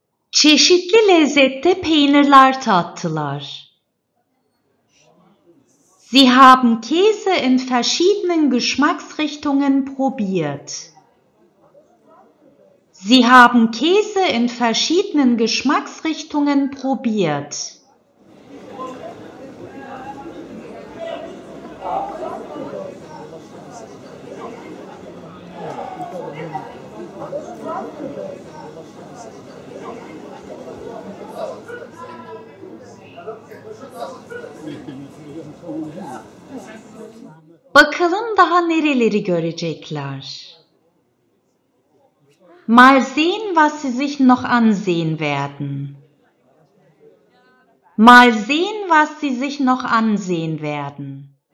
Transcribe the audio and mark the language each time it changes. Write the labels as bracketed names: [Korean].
[Turkish] Çeşitli lezzette peynirler tattılar. [German] Sie haben Käse in verschiedenen Geschmacksrichtungen probiert. Sie haben Käse in verschiedenen Geschmacksrichtungen probiert. [Turkish] Bakalım daha nereleri görecekler. [German] Mal sehen, was sie sich noch ansehen werden. Mal sehen, was sie sich noch ansehen werden.